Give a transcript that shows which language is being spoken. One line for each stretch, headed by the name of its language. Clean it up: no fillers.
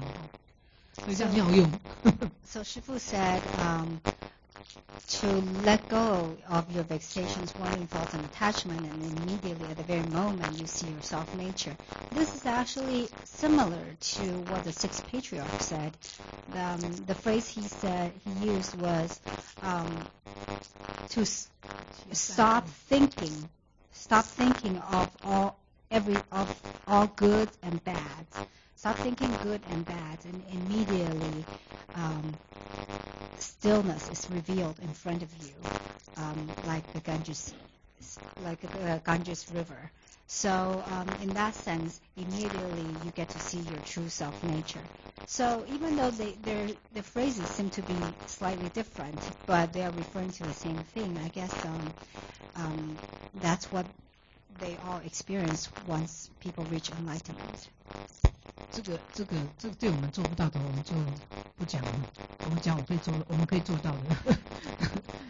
Chinese: 就能够见到你的自信的清净的本性，其实意思一样，跟刚刚师父讲的放下一切妄想执着，当下你的自信的显现，意思是一样的，就是用的，就每个人见到性的时候讲出来字句就不一样了，这样才是活嘛，所以叫妙用。So
English: Shifu said, to let go of your vexations, wandering thoughts, and attachment, and immediately at the very moment you see your self nature. This is actually similar to what the six patriarchs said. The phrase he used was to stop thinking stop thinking of all every of all good and bad. Stop thinking good and bad, and immediately stillness is revealed in front of you, like the Ganges River. So in that sense, immediately you get to see your true self nature. So even though the phrases seem to be slightly different, but they are referring to the same thing, I guess that's what they all experience once people reach enlightenment.
Chinese: 这个对我们做不到的我们就不讲了，我们讲我们可以做到的。